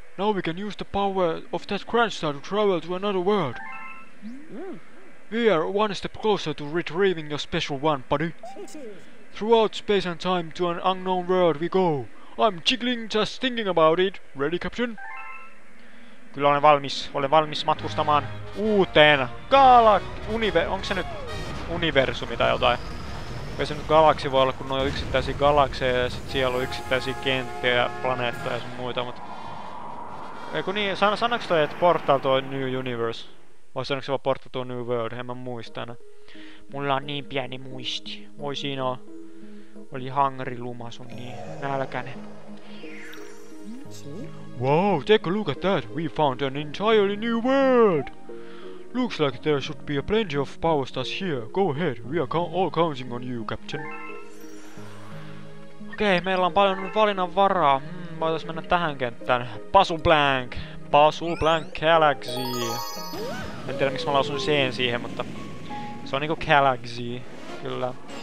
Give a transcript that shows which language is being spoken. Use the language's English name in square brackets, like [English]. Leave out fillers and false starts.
[English] Now we can use the power of that Grand Star to travel to another world! We are one step closer to retrieving your special one, buddy. Throughout space and time to an unknown world we go. I'm jiggling just thinking about it. Ready, Captain? [Finnish] Kyllä olen valmis. Olen valmis matkustamaan uuteen onks se nyt universumi tai jotain? Ei se nyt galaksi voi olla, kun on yksittäisiä galakseja ja sit siellä on yksittäisiä kenttiä ja planeettoja ja sun muita, mut... Eiku niin, sanoks toi, että portal toi New Universe? Vai sanoks se vaan [English] Portal to New World, [Finnish] en mä muista enää. Mulla on niin pieni muisti. Voi siinä on. Oli hangri luma sun niin nälkänen. [English] Wow, take a look at that! We found an entirely new world! Looks like there should be a plenty of power stars here. Go ahead, we are all counting on you, Captain. [Finnish] Okei, meillä on paljon valinnanvaraa. Voitais mennä tähän kenttään. Puzzle Blank Galaxy. En tiedä, miksi mä lausun sen siihen, mutta se on niinku Galaxy, kyllä.